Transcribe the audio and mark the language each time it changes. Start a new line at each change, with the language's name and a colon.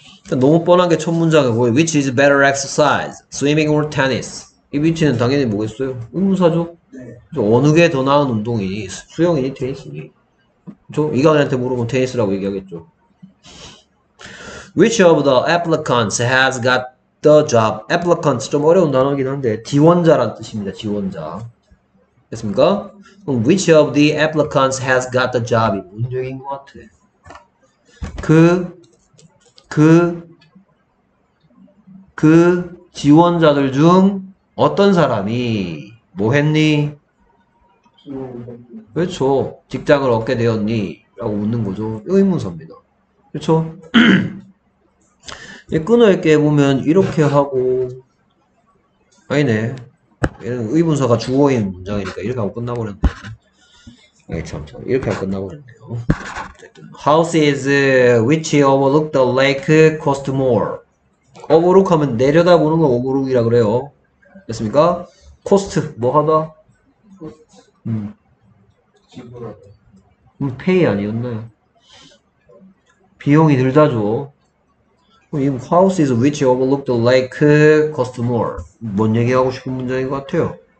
Korean: 너무 뻔한 게첫 문장에 보여.
English: Which is better exercise? Swimming or tennis?
Korean: 이 위치는 당연히 뭐겠어요? 의문사죠? 어느 게더 나은 운동이니? 수영이니? 테니스니? 그쵸? 이강인한테 물어보면 테니스라고 얘기하겠죠.
English: Which of the applicants has got the job?
Korean: Applicants 좀 어려운 단어긴 한데, 지원자란 뜻입니다. 지원자. 됐습니까? 그럼
English: Which of the applicants has got the job?
Korean: 이 무슨 얘기인 것 같아? 그 지원자들 중 어떤 사람이 뭐 했니? 그렇죠. 직장을 얻게 되었니? 라고 묻는 거죠. 의문사입니다. 그렇죠? 끊어있게 보면 이렇게 하고 아니네. 얘는 의문사가 주어인 문장이니까 이렇게 하고 끝나버렸네. 아이 참, 참 이렇게 하고 끝나버렸네요.
English: House is which overlook the lake cost more.
Korean: Overlook 하면 내려다보는 거 overlook이라 그래요. 됐습니까? Cost 뭐 하다? 지불하고 pay 아니었나요? 비용이 들다죠.
English: 이 house is which overlook the lake cost more.
Korean: 뭔 얘기하고 싶은 문장인 것 같아요.